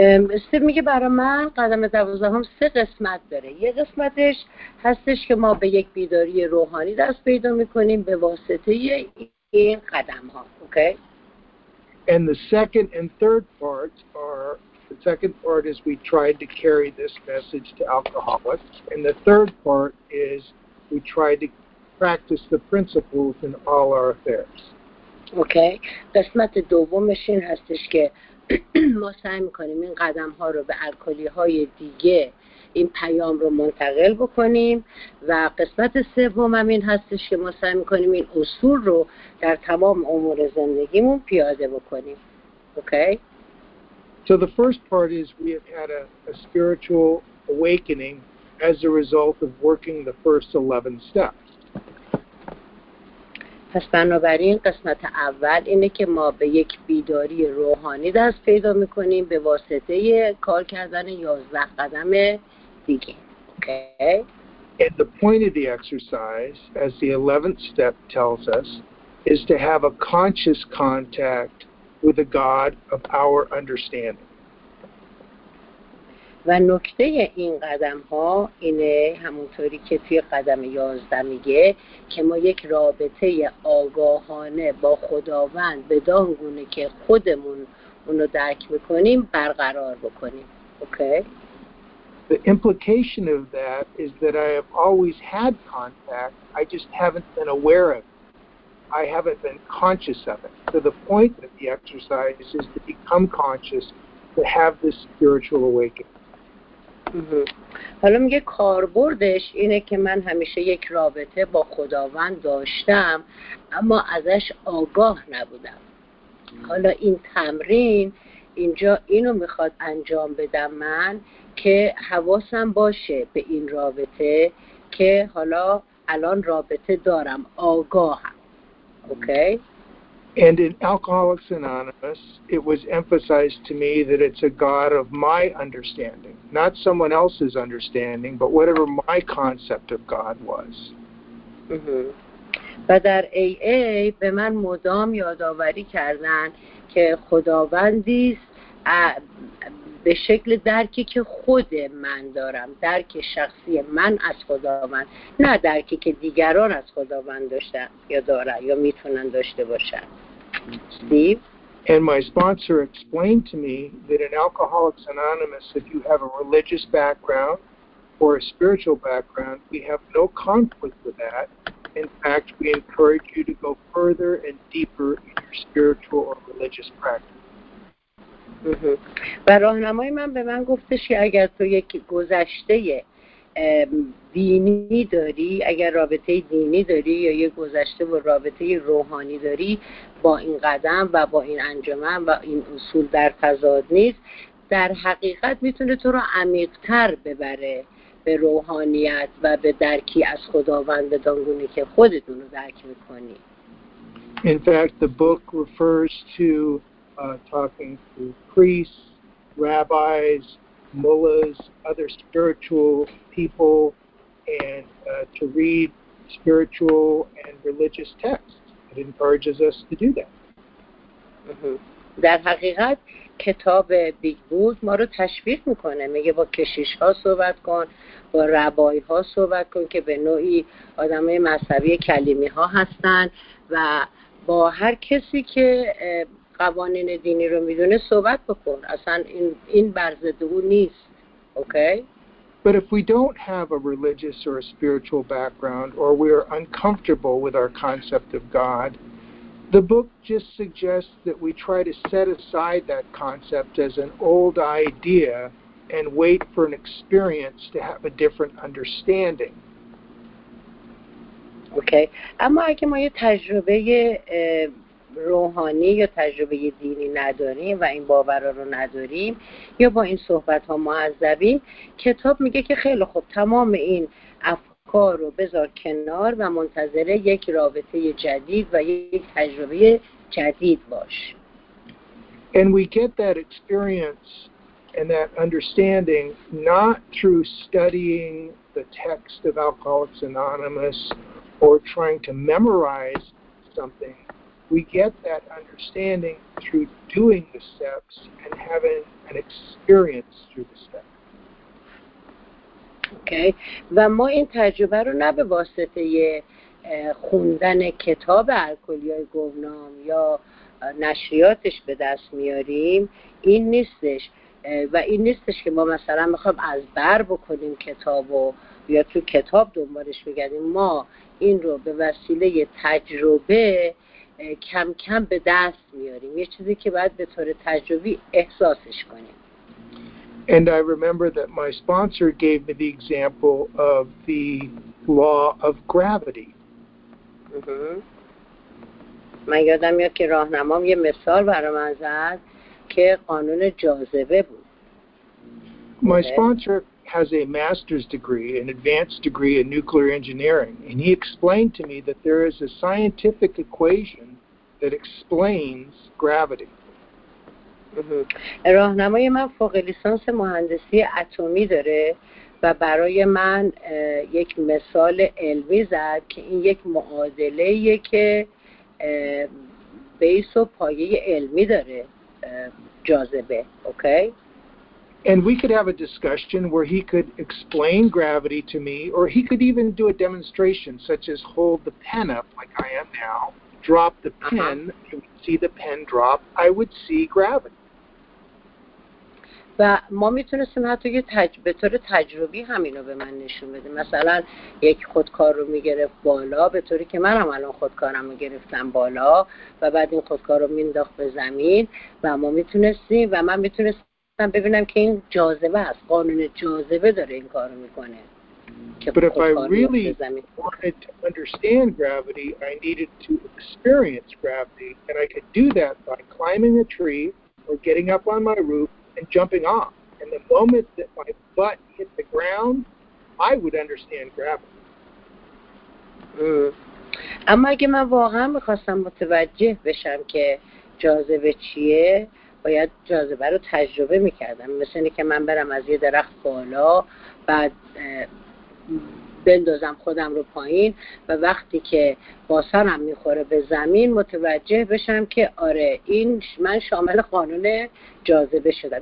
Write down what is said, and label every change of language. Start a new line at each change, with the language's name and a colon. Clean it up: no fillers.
Persian: استیو میگه برای من قدم دوازدهم سه قسمت داره. یه قسمتش هستش که ما به یک بیداری روحانی دست پیدا میکنیم به واسطه این قدم ها. اوکی؟
English: And the second and third parts are, the second part is we tried to carry this message to alcoholics, and the third part is we tried to practice the principles in all our affairs.
Persian: اوکی؟ قسمت دومش این هستش که ما سعی میکنیم این قدم ها رو به الکلی های دیگه این پیام رو منتقل بکنیم و قسمت سوم هم این هستش که ما سعی میکنیم این اصول رو در تمام امور زندگیمون پیاده بکنیم.
English: Okay? So the first part is we have had a spiritual awakening as a result of working the first 11 steps.
Persian: پس بنابراین قسمت اول اینه که ما به یک بیداری روحانی دست پیدا میکنیم به واسطه کار کردن 11 قدم دیگه.
English: Okay. And the point of the exercise, as the 11th step tells us, is to have a conscious contact with the God of our understanding.
Persian: و نکته این قدم ها اینه همونطوری که توی قدم 11 میگه که ما یک رابطه آگاهانه با خداوند بدان گونه که خودمون اونو درک بکنیم برقرار بکنیم.
English: Okay. The implication of that is that I have always had contact, I just haven't been aware of it. I haven't been conscious of it. So the point of the exercise is to become conscious, to have this spiritual awakening.
Persian: حالا میگه کاربردش اینه که من همیشه یک رابطه با خداوند داشتم اما ازش آگاه نبودم. حالا این تمرین اینجا اینو میخواد انجام بدم من که حواسم باشه به این رابطه که حالا الان رابطه دارم، آگاهم. اوکی؟
English: And in Alcoholics Anonymous, it was emphasized to me that it's a God of my understanding, not someone else's understanding, but whatever my concept of God was.
Persian: و در AA به من مدام یادآوری کردند که خداوندی است به شکل درکی که خود من دارم، درک شخصی من از خداوند، نه درکی که دیگران از خداوند داشتن یا دارن یا میتونن داشته باشن.
English: Steve? And my sponsor explained to me that in Alcoholics Anonymous, if you have a religious background or a spiritual background, we have no conflict with that. In fact, we encourage you to go further and deeper in your spiritual or religious practice.
Persian: و راهنمای من به من گفتش که اگر تو یک گذشته دینی داری، اگر رابطه دینی داری یا یک گذشته و رابطه روحانی داری، با این قدم و با این انجمن و این اصول در تضاد نیست، در حقیقت میتونه تو رو عمیق‌تر ببره به روحانیت و به درکی از خداوند بدانگونه که خودتون رو درک میکنی.
English: In fact, the book refers to talking to priests, rabbis, mullahs, other spiritual people, and to read spiritual and religious texts. It encourages us to do that.
Persian: در حقیقت کتاب بیگ بود ما رو تشویق میکنه، میگه با کشیش ها صحبت کن، با ربای ها صحبت کن که به نوعی آدم های مذهبی کلیمی ها هستن، و با هر کسی که قوانین دینی رو میدونه صحبت بکن، اصلا این برزده او نیست.
English: Okay? But if we don't have a religious or a spiritual background, or we are uncomfortable with our concept of God, the book just suggests that we try to set aside that concept as an old idea and wait for an experience to have a different understanding. Okay.
Persian: اما اگه ما یه تجربه روحانی یا تجربه دینی نداریم و این باور رو نداریم یا با این صحبت ها معذبیم، کتاب میگه که خیلی خوب تمام این افکار رو بذار کنار و منتظر یک رابطه جدید و یک تجربه جدید باش.
English: And we get that experience and that understanding, not through studying the text of Alcoholics Anonymous or trying to memorize something. We get that understanding through doing the steps and having an experience through the steps. Okay.
Persian: و ما این تجربه رو نه به واسطه خوندن کتاب الکلیای گمنام یا نشریاتش به دست میاریم، این نیستش، و این نیستش که ما مثلا میخوایم از بر بکنیم کتابو یا تو کتاب دنبالش بگردیم. ما این رو به وسیله تجربه کم کم به دست میاریم، یه چیزی که باید به طور تجربی احساسش کنیم.
English: And I remember that my sponsor gave me the example of the law of gravity.
Persian: من یادم میاد که راهنمام یه مثال برام زد که قانون جاذبه بود.
English: My sponsor has a master's degree, an advanced degree in nuclear engineering, and he explained to me that there is a scientific equation that explains gravity.
Persian: راهنمای من فوق لیسانس مهندسی اتمی داره و برای من یک مثال علمی زد که این یک معادله یه که بیس و پایه علمی داره جاذبه. اوکی؟
English: And we could have a discussion where he could explain gravity to me, or he could even do a demonstration such as hold the pen up like I am now, drop the pen, you would see the pen drop, I would see gravity.
Persian: و ما میتونستیم حتی یه به طور تجربی همینو به من نشون بده، مثلا یک خودکار رو میگرفت بالا به طوری که من هم الان خودکارم رو گرفتم بالا و بعد این خودکار رو مینداخت به زمین و ما میتونستیم و من میتونستم ببینم که این جاذبه است، قانون جاذبه داره این کار رو میکنه.
English: But if I really wanted to understand gravity, I needed to experience gravity, and I could do that by climbing a tree or getting up on my roof and jumping off. And the moment that my butt hit the ground, I would understand gravity.
Persian: اما اگه من واقعا میخواستم متوجه بشم که جاذبه چیه، باید جاذبه رو تجربه میکردم. مثل اینکه من برم از یه درخت بالا، بعد بندازم خودم رو پایین و وقتی که با سرم میخوره به زمین متوجه بشم که آره این من شامل قانون جاذبه شدم.